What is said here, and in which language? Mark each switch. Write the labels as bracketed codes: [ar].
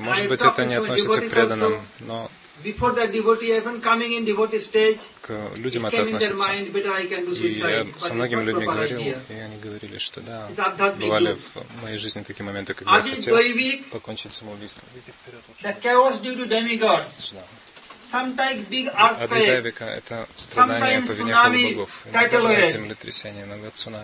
[ru] Может быть, это не относится к преданным, но [en] before that devotee even coming in devotee stage, [ru] к людям это относится. [en] Mind, [ru] и я со многими людьми говорил, и они говорили, что да, бывали в моей жизни такие моменты, когда я хотел покончить самоубийством. [en] The chaos due to demigods. Sometimes big earthquake. [ru] Адидайвика – это страдание по вине полубогов. Иногда землетрясение, иногда цунами.